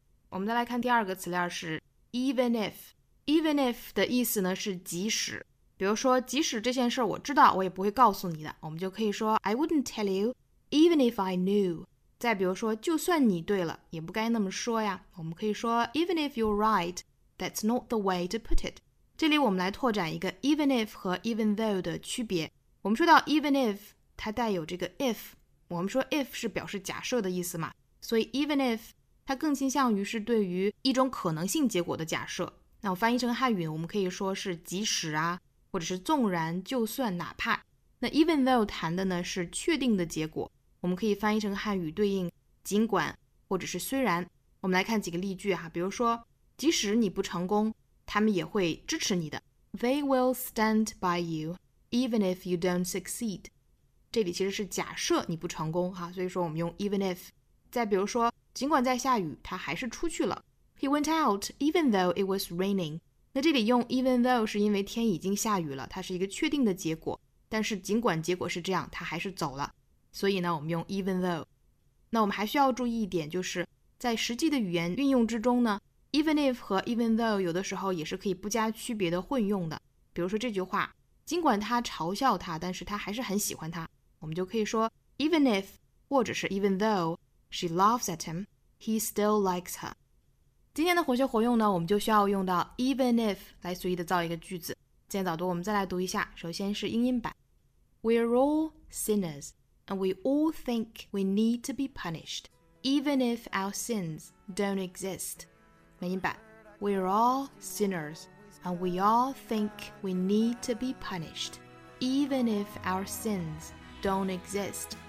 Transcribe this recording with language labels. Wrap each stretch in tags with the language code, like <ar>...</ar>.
<zh>我们再来看第二个词链是 even if。even if 的意思呢是即使。比如说即使这件事我知道我也不会告诉你的。我们就可以说</zh> <en>I wouldn't tell you even if I knew。</en> <zh>再比如说就算你对了也不该那么说呀。我们可以说</zh> <en>even if you're right, that's not the way to put it。</en> <zh>这里我们来拓展一个 even if 和 even though 的区别。我们说到 even if, 它带有这个 if。我们说 if 是表示假设的意思嘛，所以 even if 它更倾向于是对于一种可能性结果的假设。那我翻译成汉语，我们可以说是即使啊，或者是纵然、就算、哪怕。那 even though 谈的呢是确定的结果，我们可以翻译成汉语对应尽管或者是虽然。我们来看几个例句啊，比如说即使你不成功，他们也会支持你的。</zh> <en>They will stand by you even if you don't succeed.</en> <zh>这里其实是假设你不成功哈，所以说我们用 even if。再比如说尽管在下雨他还是出去了</zh> <en>He went out even though it was raining。</en> <zh>那这里用 even though 是因为天已经下雨了，它是一个确定的结果，但是尽管结果是这样他还是走了，所以呢我们用 even though。那我们还需要注意一点，就是在实际的语言运用之中呢， even if 和 even though 有的时候也是可以不加区别的混用的。比如说这句话，尽管他嘲笑他，但是他还是很喜欢他。我们就可以说</zh> <en>even if</en> <zh>或者是</zh> <en>even though she laughs at him, he still likes her.</en> <zh>今天的活学活用呢，我们就需要用到 even if 来随意的造一个句子。今天早读我们再来读一下，首先是英音版。</zh> <en>We're all sinners, and we all think we need to be punished, even if our sins don't exist.</en> <zh>美音版。</zh> <en>We're all sinners, and we all think we need to be punished, even if our sinsDon't exist.</en>